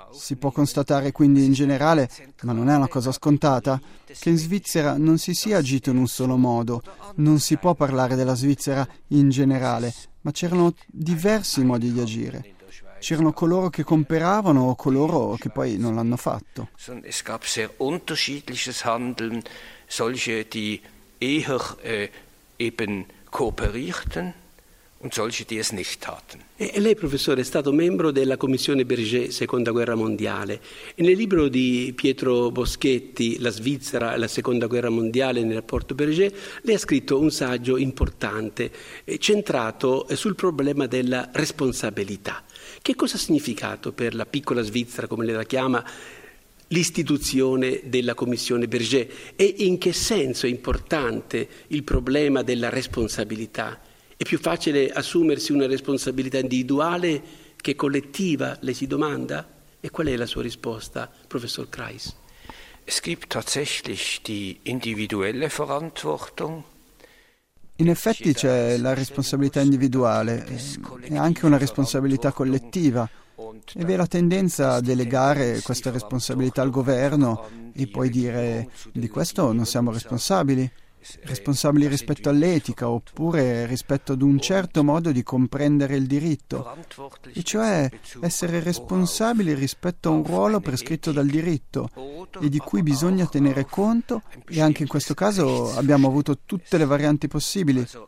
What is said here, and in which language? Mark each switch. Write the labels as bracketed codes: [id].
[it] Si può constatare quindi in generale, ma non è una cosa scontata, che in Svizzera non si sia agito in un solo modo. Non si può parlare della Svizzera in generale, ma c'erano diversi modi di agire. C'erano coloro che cooperavano o coloro che poi non l'hanno fatto. [de] Es gab sehr unterschiedliches Handeln, solche die eher eben kooperierten und solche die es nicht taten. [it] E lei, professore, è stato membro della Commissione Berger Seconda Guerra Mondiale. E nel libro di Pietro Boschetti, La Svizzera e la Seconda Guerra Mondiale nel rapporto Berger, lei ha scritto un saggio importante, centrato sul problema della responsabilità. Che cosa ha significato per la piccola Svizzera, come lei la chiama, l'istituzione della Commissione Berger? E in che senso è importante il problema della responsabilità? È più facile assumersi una responsabilità individuale che collettiva, le si domanda? E qual è la sua risposta, professor Kreis? [de] Es gibt tatsächlich die individuelle Verantwortung. [it] In effetti c'è la responsabilità individuale e anche una responsabilità collettiva. E vi è la tendenza a delegare questa responsabilità al governo e poi dire di questo non siamo responsabili. Responsabili rispetto all'etica oppure rispetto ad un certo modo di comprendere il diritto, e cioè essere responsabili rispetto a un ruolo prescritto dal diritto e di cui bisogna tenere conto, e anche in questo caso abbiamo avuto tutte le varianti possibili.